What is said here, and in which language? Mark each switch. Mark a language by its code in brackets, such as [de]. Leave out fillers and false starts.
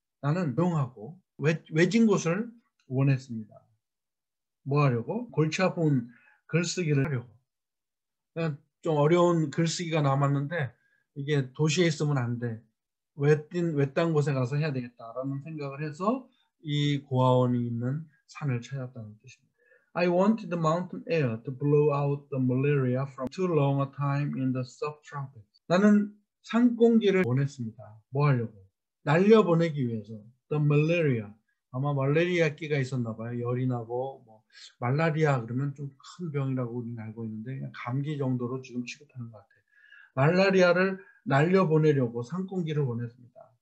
[ko] 나는 조용하고 외진 곳을 원했습니다. 뭐 하려고? 골치 아픈 글쓰기를 하려고. 좀 어려운 글쓰기가 남았는데 이게 도시에 있으면 안 돼. 외딴 곳에 가서 해야 되겠다라는 생각을 해서 이 고아원이 있는 산을 찾았다는 뜻입니다. [en] I wanted the mountain air to blow out the malaria from too long a time in the subtropics. [ko] 나는 산 공기를 원했습니다. 뭐 하려고? 날려보내기 위해서. [en] The malaria. [ko] 아마 말라리아끼가 있었나 봐요. 열이 나고 뭐 말라리아 그러면 좀 큰 병이라고 우리는 알고 있는데 그냥 감기 정도로 지금 취급하는 것 같아요. 말라리아를 날려보내려고 산공기를 보냈습니다.